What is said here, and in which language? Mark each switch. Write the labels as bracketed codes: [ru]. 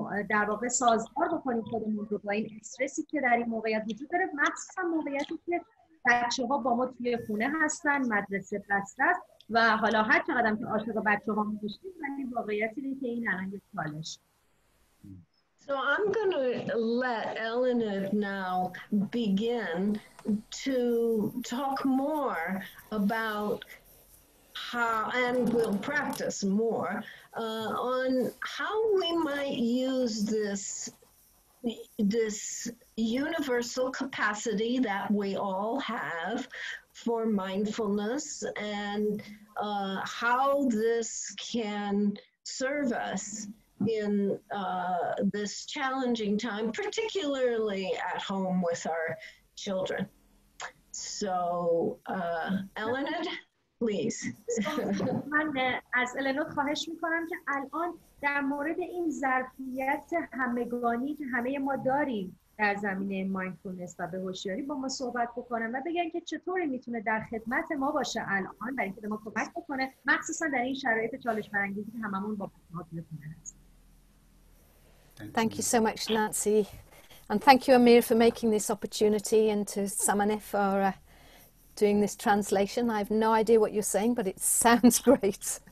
[fa] در واقع سازگار بکنیم خودمون رو با این استرسی که در این موقعیت وجود داره، مخصوصا موقعیتی که بچه‌ها با ما توی خونه هستن، مدرسه بسته است و حالا هر چقدر هم که عاشق بچه ها میشید، ولی واقعیت اینه که این الان یک چالش. [en] So I'm going to let Eluned now begin to talk more about how, and we'll practice more on how we might use this universal capacity that we all have for mindfulness, and how this can serve us in this challenging time, particularly at home with our children. So, Eluned, please. [fa] من از Eluned خواهش میکنم که الان در مورد این ظرفیت همگانی که همه ما داریم در زمینه مایندفولنس و به هوشیاری با ما صحبت بکنن و بگن که چطوری میتونه در خدمت ما باشه الان برای اینکه ما کمک بکنه، مخصوصا در این شرایط چالش برانگیزی که هممون با بچه‌ها می‌کنه. [en] Thank you so much, Nancy, and thank you, Amir, for making this opportunity, and to Samane for doing this translation. I have no idea what you're saying, but it sounds great.